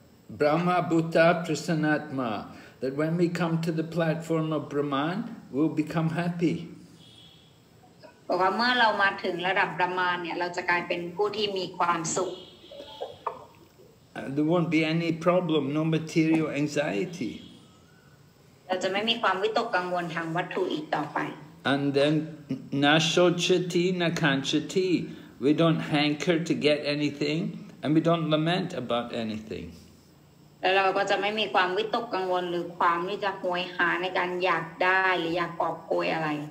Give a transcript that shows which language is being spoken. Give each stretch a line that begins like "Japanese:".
Sanskrit: Brahma Bhuta Prasannatma,
English: that when we come to the platform of Brahman, we'll become happy.
Thai: บอกว่าเมื่อเรามาถึงระดับประมาณเนี่ยเราจะกลายเป็นผู้ที่มีความสุข
English: There won't be any problem, no material anxiety.
Thai: เราจะไม่มีความวิตกกังวลทางวัตถุอีกต่อไป
English: And then
Sanskrit: na sochati na kanchati,
English: we don't hanker to get anything, and we don't lament about anything.
Thai: แล้วเราก็จะไม่มีความวิตกกังวลหรือความที่จะโหยหาในการอยากได้หรืออยากกอบโกยอะไร